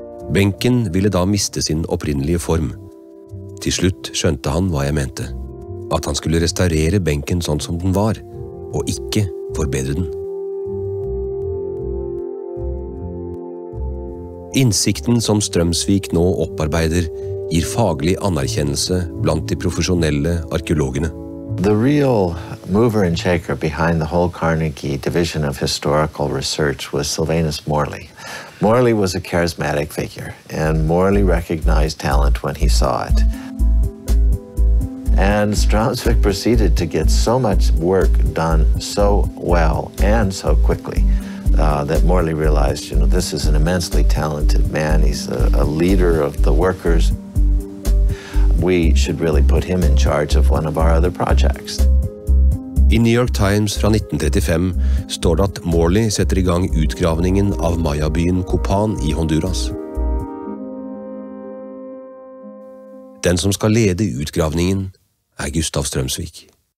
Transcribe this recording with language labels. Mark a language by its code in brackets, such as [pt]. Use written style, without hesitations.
[no] Benken ville da miste sin opprinnelige form. Til slutt skjønte han hva jeg mente, at han skulle restaurere benken sånn som den var.» Og ikke forbedre den. Innsikten som Strømsvik nå opparbeider gir faglig anerkjennelse blant de profesjonelle arkeologene. [en] The real mover and shaker behind the whole Carnegie Division of Historical Research was Sylvanus Morley. Morley was a charismatic figure, and Morley recognized talent when he saw it. And Strømsvik proceeded to get so much work done so well and so quickly that Morley realized, you know, this is an immensely talented man. He's a leader of the workers. We should really put him in charge of one of our other projects. [no] I New York Times fra 1935 står det at Morley setter I gang utgravningen av Maya-byen Copan I Honduras. Den som skal lede utgravningen Gustav Strømsvik.